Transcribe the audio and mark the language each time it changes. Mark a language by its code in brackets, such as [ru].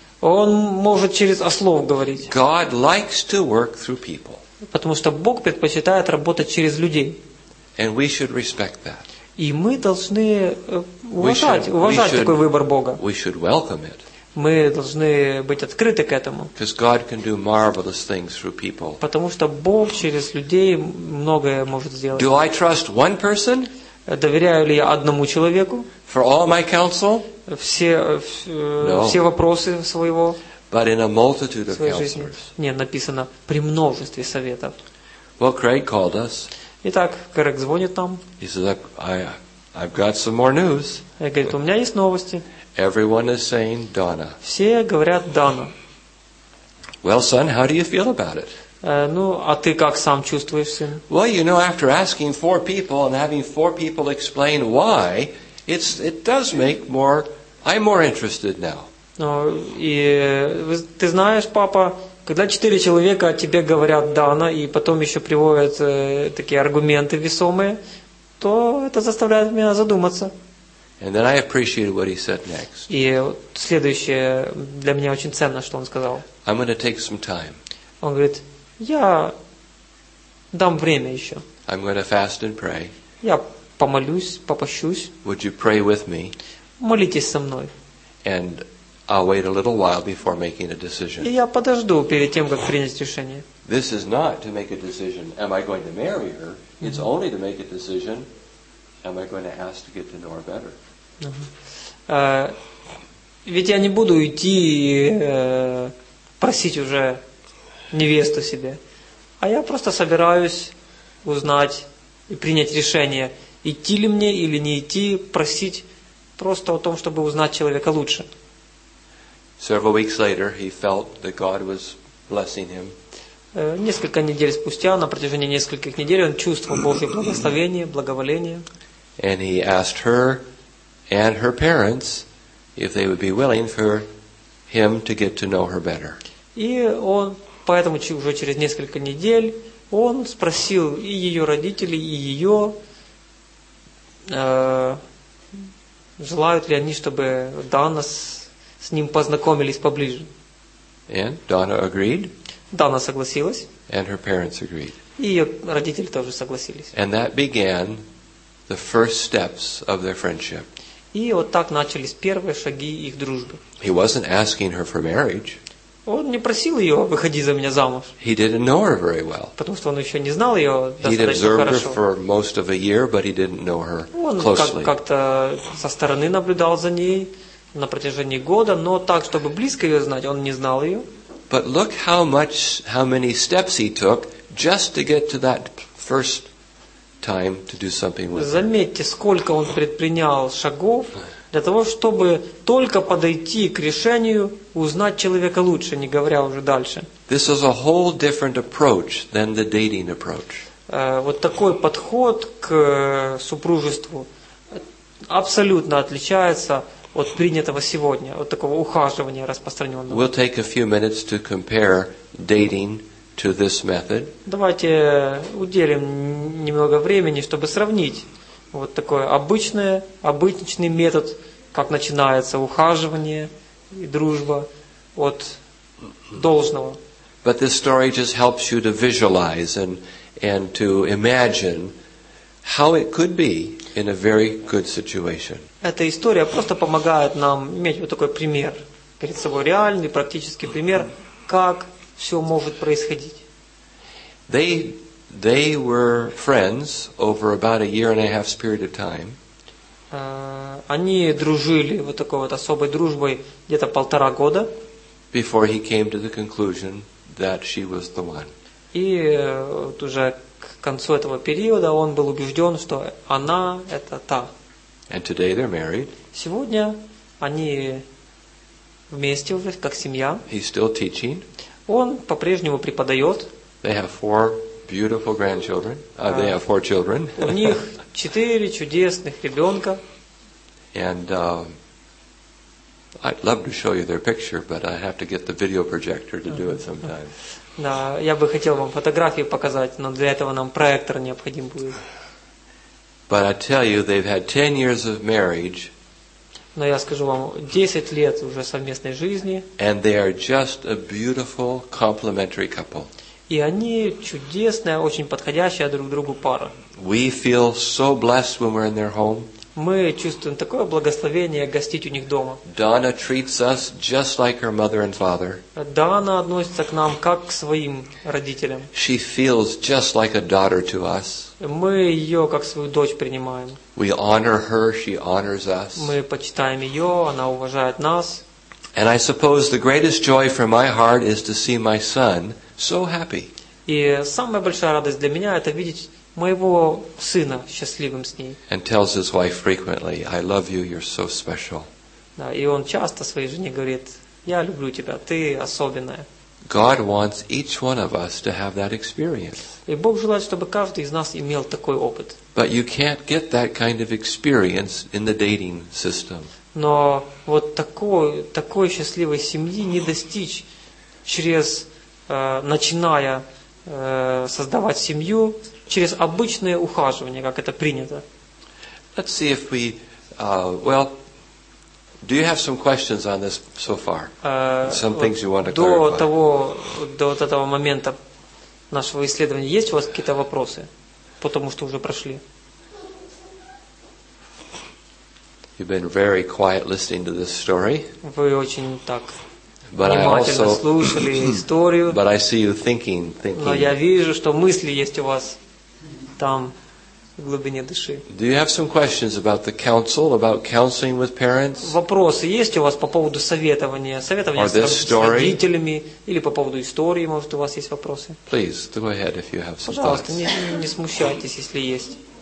[ru] Он может через ослов говорить. [en] God likes to work through people. [ru] Потому что Бог предпочитает работать через людей. [en] And we should respect that. [ru] И мы должны уважать такой выбор Бога. [en] We should welcome it. [ru] Мы должны быть открыты к этому. [en] Because God can do marvelous things through people. [ru] Потому что Бог через людей многое может сделать. [en] Do I trust one person? [ru] Доверяю ли я одному человеку? [en] For all my counsel? [ru] Все вопросы своего. [en] But in a multitude of counselors. [ru] Нет, написано при множестве советов. [en] Well, Craig called us. [ru] Итак, Крэг звонит нам. [en] He says, I've got some more news. [ru] Я говорю, у меня есть новости. [en] Everyone is saying Donna. [ru] Все говорят Donna. [en] Well, son, how do you feel about it? [ru] Ну, а ты как сам чувствуешь, сын? [en] Well, you know, after asking four people and having four people explain why, it does make more. I'm more interested now. [ru] Ну, и ты знаешь, папа, когда четыре человека тебе говорят Donna и потом еще приводят такие аргументы весомые, то это заставляет меня задуматься. [en] And then I appreciated what he said next. [ru] И следующее для меня очень ценно, что он сказал. [en] I'm going to take some time. [ru] Он говорит, я дам время еще. [en] I'm going to fast and pray. [ru] Я помолюсь, попощусь. [en] Would you pray with me? [ru] Молитесь со мной. [en] And I'll wait a little while before making a decision. [ru] И я подожду перед тем, как принять решение. [en] This is not to make a decision. Am I going to marry her? It's only to make a decision. Am I going to ask to get to know her better? [ru] Ведь я не буду идти просить уже невесту себе, а я просто собираюсь узнать и принять решение, идти ли мне или не идти, просить просто о том, чтобы узнать человека лучше. [en] Several weeks later, he felt that God was blessing him. [ru] Несколько недель спустя, на протяжении нескольких недель, он чувствовал Божье благословение, благоволение. [en] And he asked her and her parents if they would be willing for him to get to know her better. [ru] И он, поэтому уже через несколько недель, он спросил и ее родителей, и ее, желают ли они, чтобы Donna с ним познакомились поближе. [en] And Donna agreed. [ru] Donna согласилась. [en] And her parents agreed. [ru] И ее родители тоже согласились. [en] And that began the first steps of their friendship. [ru] И вот так начались первые шаги их дружбы. [en] He wasn't asking her for marriage. [ru] Он не просил ее выходи за меня замуж. [en] He didn't know her very well. [ru] Потому что он еще не знал ее достаточно хорошо. [en] He'd observed her for most of a year, but he didn't know her closely. [ru] Он как-то со стороны наблюдал за ней на протяжении года, но так, чтобы близко ее знать, он не знал ее. [en] But look how many steps he took just to get to that first time to do something with. [ru] Заметьте, сколько он предпринял шагов для того, чтобы только подойти к решению узнать человека лучше, не говоря уже дальше. [en] This is a whole different approach than the dating approach. [ru] Вот такой подход к супружеству абсолютно отличается от принятого сегодня, от такого ухаживания распространенного. [en] We'll take a few minutes to compare dating to this method. [ru] Давайте уделим немного времени, чтобы сравнить вот такой обычный метод, как начинается ухаживание и дружба от должного. [en] But this story just helps you to visualize and to imagine how it could be in a very good situation. [ru] Эта история просто помогает нам иметь вот такой пример перед собой, реальный, практический пример, как все может происходить. [en] They were friends over about a year and a half's period of time. [ru] Они дружили вот такой вот особой дружбой где-то полтора года. [en] Before he came to the conclusion that she was the one. [ru] И вот уже к концу этого периода он был убежден, что она это та. [en] And today they're married. [ru] Сегодня они вместе уже как семья. [en] He's still teaching. [ru] Он по-прежнему преподает. [en] They have four beautiful grandchildren. They have four children. [ru] У них четыре чудесных ребенка. [en] And I'd love to show you their picture, but I have to get the video projector to do it sometime. [ru] Да, я бы хотел вам фотографии показать, но для этого нам проектор необходим будет. [en] But I tell you, they've had 10 years of marriage. [ru] Но я скажу вам, 10 лет уже совместной жизни. [en] And they are just a beautiful complementary couple. [ru] И они чудесная, очень подходящая друг другу пара. [en] We feel so blessed when we're in their home. [ru] Мы чувствуем такое благословение гостить у них дома. [en] Donna treats us just like her mother and father. [ru] Donna относится к нам как к своим родителям. [en] She feels just like a daughter to us. [ru] Мы ее как свою дочь принимаем. [en] We honor her, she honors us. [ru] Мы почитаем ее, она уважает нас. [en] And I suppose the greatest joy for my heart is to see my son so happy. [ru] И самая большая радость для меня это видеть моего сына счастливым с ней. [en] And tells his wife frequently, "I love you. You're so special." [ru] Да, и он часто своей жене говорит: "Я люблю тебя. Ты особенная." [en] God wants each one of us to have that experience. [ru] И Бог желает, чтобы каждый из нас имел такой опыт. [en] But you can't get that kind of experience in the dating system. [ru] Но вот такой счастливой семьи не достичь через начиная создавать семью через обычное ухаживание, как это принято. [en] Let's see if we well, do you have some questions on this so far? Some things you want to clarify. [ru] До вот этого момента нашего исследования есть у вас какие-то вопросы, потому что уже прошли. [en] You've been very quiet listening to this story. [ru] Вы очень так внимательно слушали историю. [en] But I see you thinking. [ru] Но я вижу, что мысли есть у вас там в глубине души. [en] Do you have some questions about the counsel, about counseling with parents? [ru] Вопросы есть у вас по поводу советования с родителями или по поводу истории, может у вас есть вопросы? [en] Please go ahead if you have some. [ru] Пожалуйста, не смущайтесь, если есть.